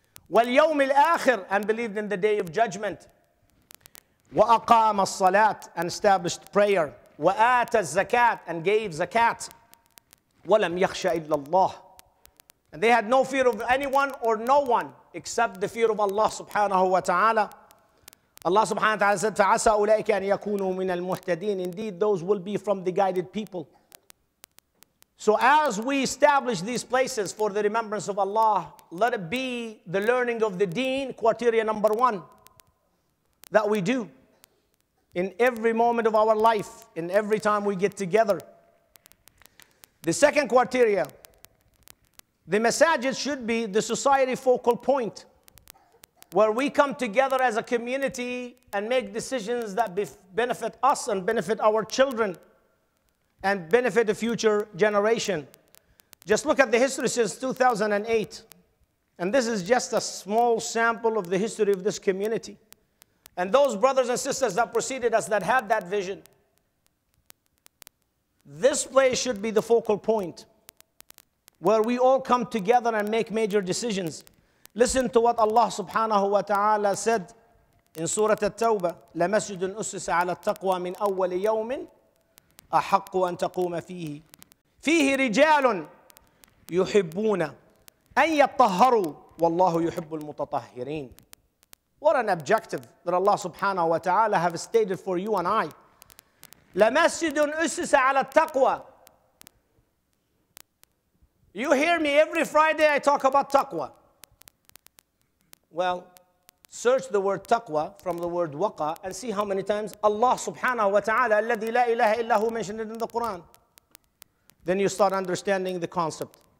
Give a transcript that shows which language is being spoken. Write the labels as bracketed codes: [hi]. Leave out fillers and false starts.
[ar] واليوم الآخر, [en] and believed in the day of judgment. [ar] وأقام الصلاة, [en] and established prayer. [ar] وآت الزكاة, [en] and gave zakat. [ar] ولم يخشى إلا الله, [en] and they had no fear of anyone or no one except the fear of Allah subhanahu wa ta'ala. [ar] Allah subhanahu wa ta'ala said, فعسى أولئك أن يكونوا من المهتدين. [en] Indeed, those will be from the guided people. So as we establish these places for the remembrance of Allah, let it be the learning of the deen, criteria number one, that we do in every moment of our life, in every time we get together. The second criteria, the masajid should be the society focal point where we come together as a community and make decisions that benefit us and benefit our children and benefit the future generation. Just look at the history since 2008. And this is just a small sample of the history of this community. And those brothers and sisters that preceded us that had that vision. This place should be the focal point where we all come together and make major decisions. Listen to what Allah subhanahu wa ta'ala said in Surah At-Tawbah. [ar] لَمَسْجُدٌ أُسِّسَ عَلَى التَّقْوَى مِنْ أَوَّلِ يَوْمٍ أحق أن تقوم فيه. فيه رجال يحبون أن يطهروا والله يحب المتطهرين. [en] What an objective that Allah subhanahu wa ta'ala have stated for you and I. [ar] لمسجد أسس على التقوى. [en] You hear me every Friday I talk about تقوى. Well, search the word taqwa from the word waqa and see how many times Allah subhanahu wa ta'ala [ar] alladhi la ilaha illahu [en] mentioned it in the Quran. Then you start understanding the concept.